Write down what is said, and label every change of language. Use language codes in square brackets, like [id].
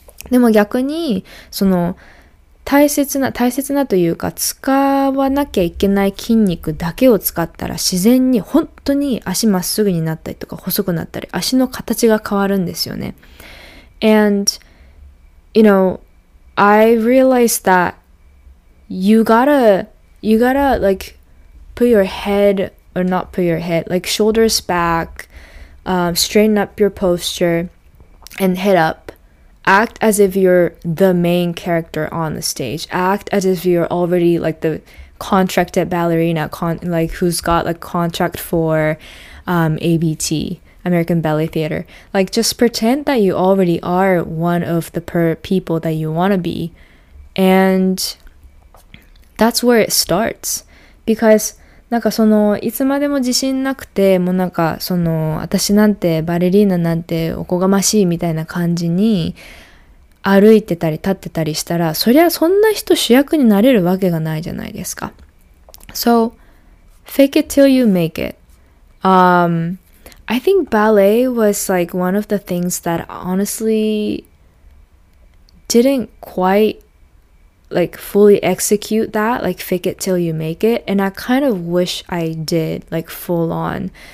[ja] でも逆に、その、大切なというか使わなきゃいけない筋肉だけを使ったら自然に本当に足まっすぐになったりとか細くなったり足の形が変わるんですよね。 [en] And, you know, I realized that you gotta like put your head or not put your head, like shoulders back, straighten up your posture and head up. Act as if you're the main character on the stage. Act as if you're already like the contracted ballerina, like who's got like contract for ABT, American Ballet Theater. Like just pretend that you already are one of the people that you want to be. And that's where it starts. Because [ja] なんかそのいつまでも自信なくて、もうなんかその私なんてバレリーナなんておこがましいみたいな感じに歩いてたり立ってたりしたら、そりゃそんな人主役になれるわけがないじゃないですか。 [en] So, fake it till you make it. I think ballet was like one of the things that honestly didn't quite like fully execute that, like fake it till you make it. And I kind of wish I did like full on.